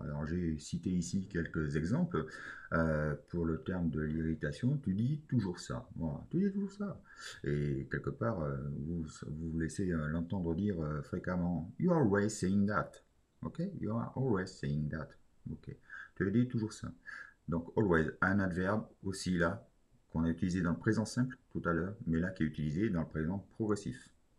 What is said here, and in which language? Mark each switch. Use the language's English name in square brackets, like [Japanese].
[French] Alors, j'ai cité ici quelques exemples pour le terme de l'irritation. Tu dis toujours ça. Voilà. Tu dis toujours ça. Et quelque part, vous laissez l'entendre dire fréquemment. [English] You are always saying that. Ok, you are always saying that. [French] Ok, tu dis toujours ça. Donc, always, un adverbe aussi là, qu'on a utilisé dans le présent simple tout à l'heure, mais là qui est utilisé dans le présent progressif.